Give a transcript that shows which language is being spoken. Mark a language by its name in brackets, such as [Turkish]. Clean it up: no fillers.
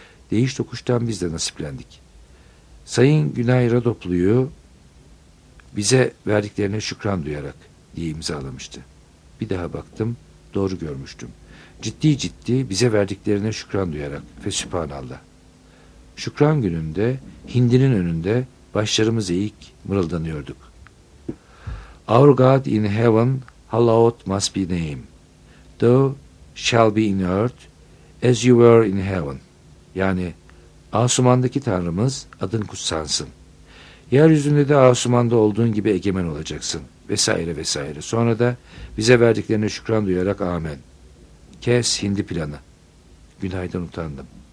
[Turkish] Değiş tokuştan biz de nasiplendik. Sayın Günay Radoplu'yu bize verdiklerine şükran duyarak diye imzalamıştı. Bir daha baktım, doğru görmüştüm. Ciddi ciddi bize verdiklerine şükran duyarak ve sübhanallah. Şükran gününde hindinin önünde başlarımız eğik mırıldanıyorduk. [English] Our God in heaven, hallowed must be name. Thou shall be in earth as you were in heaven. [Turkish] Yani Asuman'daki Tanrımız adın kutsansın. Yeryüzünde de Asuman'da olduğun gibi egemen olacaksın. Vesaire vesaire. Sonra da bize verdiklerine şükran duyarak amen. Kes hindi planı. Günaydan utandım.